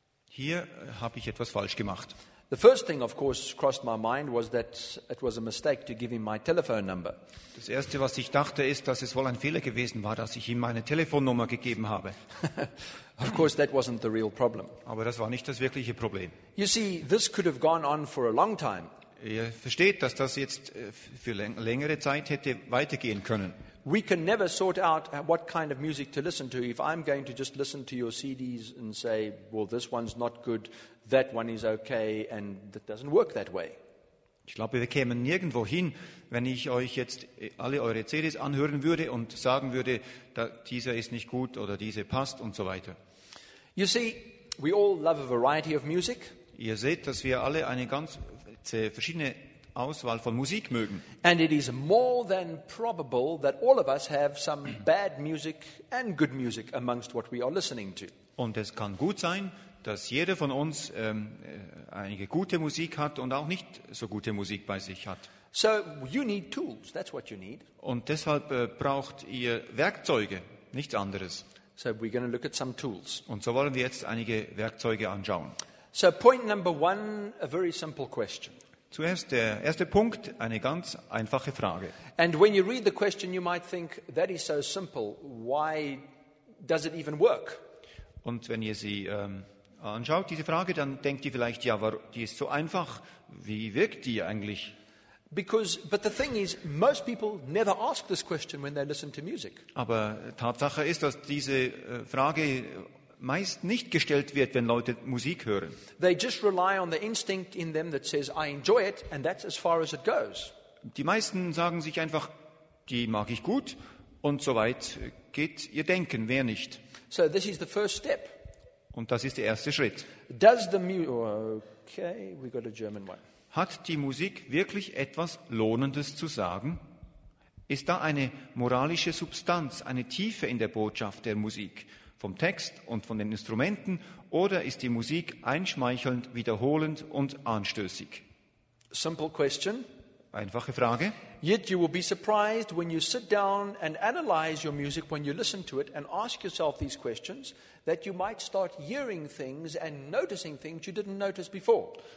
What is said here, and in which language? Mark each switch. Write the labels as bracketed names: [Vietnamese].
[German] Hier habe ich etwas falsch gemacht. [English] The first thing, of course, crossed my mind was that it was a mistake to give him my telephone number. [German] Das erste, was ich dachte, ist, dass es wohl ein Fehler gewesen war, dass ich ihm meine Telefonnummer gegeben habe. [English] Of course, that wasn't the real problem. [German] Aber das war nicht das wirkliche Problem. [English] You see, this could have gone on for a long time. [German] Ihr versteht, dass das jetzt für längere Zeit hätte weitergehen können. [English] We can never sort out what kind of music to listen to. If I'm going to just listen to your CDs and say, well, this one's not good, that one is okay, and it doesn't work that way. [German] Ich glaube, wir kämen nirgendwo hin, wenn ich euch jetzt alle eure CDs anhören würde und sagen würde, da, dieser ist nicht gut oder diese passt und so weiter. [English] You see, we all love a variety of music. [German] Ihr seht, dass wir alle eine ganz verschiedene Auswahl von Musik mögen. [English] And it is more than probable that all of us have some bad music and good music amongst what we are listening to. [German] Und es kann gut sein, dass jeder von uns einige gute Musik hat und auch nicht so gute Musik bei sich hat. [English] So you need tools, that's what you need. [German] Und deshalb braucht ihr Werkzeuge, nichts anderes. [English] So we're going to look at some tools. [German] Und so wollen wir jetzt einige Werkzeuge anschauen. [English] So point number one, a very simple question. [German] Zuerst der erste Punkt, eine ganz einfache Frage. [English] And when you read the question, you might think, that is so simple, why does it even work? [German] Und wenn ihr sie anschaut, diese Frage, dann denkt ihr vielleicht, ja, die ist so einfach, wie wirkt die eigentlich? [English] But the thing is, most people never ask this question when they listen to music. [German] Aber Tatsache ist, dass diese Frage meist nicht gestellt wird, wenn Leute Musik hören. [English] They just rely on the instinct in them that says, I enjoy it, and that's as far as it goes. [German] Die meisten sagen sich einfach, die mag ich gut, und so weit geht ihr Denken, wer nicht. [English] So this is the first step. [German] Und das ist der erste Schritt. [English] Does the okay, we got a German one. [German] Hat die Musik wirklich etwas Lohnendes zu sagen? Ist da eine moralische Substanz, eine Tiefe in der Botschaft der Musik? Vom Text und von den Instrumenten, oder ist die Musik einschmeichelnd, wiederholend und anstößig? [English] Simple question. [German] Einfache Frage. [English] Yet you will be surprised when you sit down and analyze your music, when you listen to it and ask yourself these questions, that you might start hearing things and noticing things you didn't notice before.